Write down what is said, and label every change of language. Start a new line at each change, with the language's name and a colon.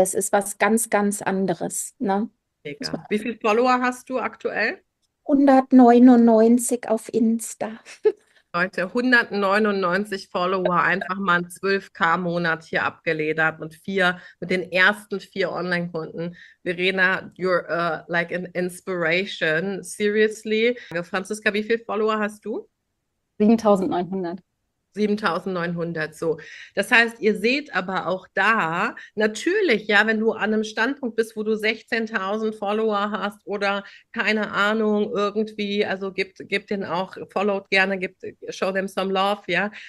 German: Es ist was ganz, ganz anderes, ne? Muss man Mega. Wie viele Follower hast du aktuell? 199 auf Insta. Leute, 199 Follower, einfach mal einen 12K-Monat hier abgeledert und vier mit den ersten 4 Online-Kunden.
English: Verena, you're like an inspiration, seriously.
German: Franziska, wie viele Follower hast du? 7.900. 7.900. So, das heißt, ihr seht aber auch da natürlich, ja, wenn du an einem Standpunkt bist, wo du 16.000 Follower hast oder keine Ahnung, irgendwie, also gibt den auch, followt gerne,
English: show them some love,
German: ja.